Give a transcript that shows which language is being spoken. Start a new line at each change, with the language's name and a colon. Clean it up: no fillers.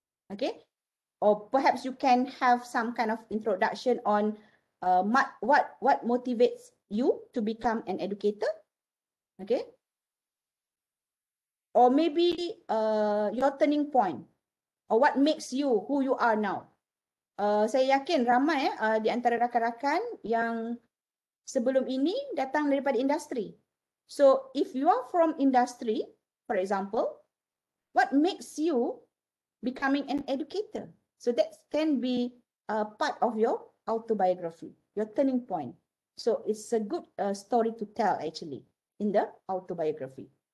English: Okay, or perhaps you can have some kind of introduction on what motivates you to become an educator. Okay, or maybe your turning point, or what makes you who you are now.
Malay: Saya yakin ramai di antara rakan-rakan yang sebelum ini datang daripada industri.
English: So if you are from industry, for example, what makes you becoming an educator? So that can be a part of your autobiography, your turning point. So it's a good story to tell actually in the autobiography.